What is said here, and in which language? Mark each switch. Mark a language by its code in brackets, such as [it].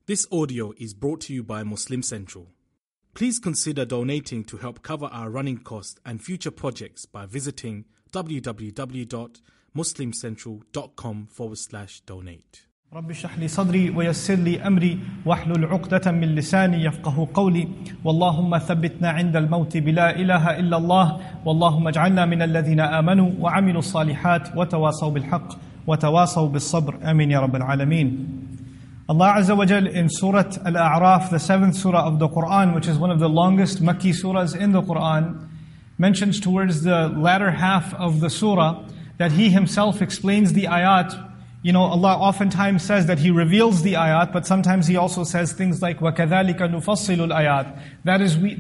[en] This audio is brought to you by Muslim Central. Please consider donating to help cover our running costs and future projects by visiting www.muslimcentral.com/donate. [ar] رب اشرح لي صدري ويسر لي امري واحلل عقدة من لساني يفقهوا قولي واللهم ثبتنا عند الموت بلا اله الا الله واللهم اجعلنا من الذين امنوا وعملوا الصالحات وتواصوا بالحق وتواصوا بالصبر امين يا رب العالمين. [en] Allah Azza wa Jal in Surat Al-A'raf, the seventh surah of the Qur'an, which is one of the longest Makki surahs in the Qur'an, mentions towards the latter half of the surah that He Himself explains the ayat. You know, Allah oftentimes says that He reveals the ayat, but sometimes He also says things like, [ar] وَكَذَلِكَ نُفَصِّلُ الْآيَاتِ.